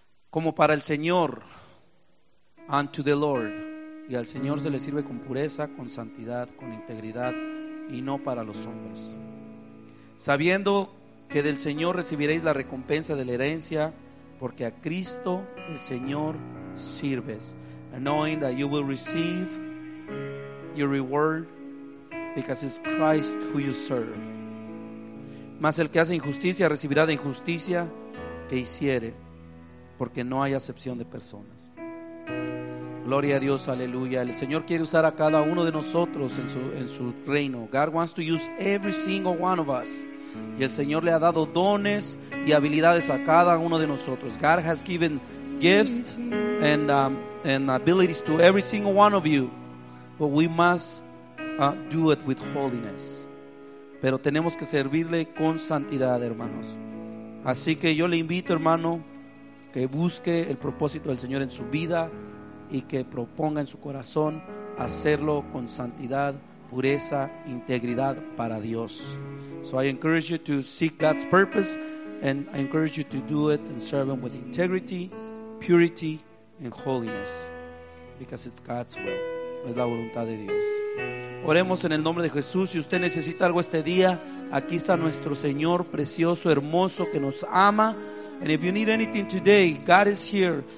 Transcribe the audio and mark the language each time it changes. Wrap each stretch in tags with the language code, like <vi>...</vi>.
<es>Como para el Señor,</es> <en>and to the Lord.</en> <es>Y al Señor se le sirve con pureza, con santidad, con integridad, y no para los hombres. Sabiendo que del Señor recibiréis la recompensa de la herencia, porque a Cristo el Señor sirves.</es> <en>Knowing that you will receive your reward, because it's Christ who you serve.</en> <es>Mas el que hace injusticia recibirá de injusticia que hiciere, porque no hay acepción de personas. Gloria a Dios, aleluya. El Señor quiere usar a cada uno de nosotros en su reino.</es> <en>God wants to use every single one of us.</en> <es>Y el Señor le ha dado dones y habilidades a cada uno de nosotros.</es> <en>God has given gifts and abilities to every single one of you. But we must do it with holiness.</en> <es>Pero tenemos que servirle con santidad, hermanos. Así que yo le invito, hermano, que busque el propósito del Señor en su vida y que proponga en su corazón hacerlo con santidad, pureza, integridad para Dios.</es> <en>So I encourage you to seek God's purpose, and I encourage you to do it and serve Him with integrity, purity, and holiness, because it's God's will.</en> <es>Es la voluntad de Dios. Oremos en el nombre de Jesús. Si usted necesita algo este día, aquí está nuestro Señor precioso, hermoso, que nos ama.</es> <en>And if you need anything today, God is here.</en>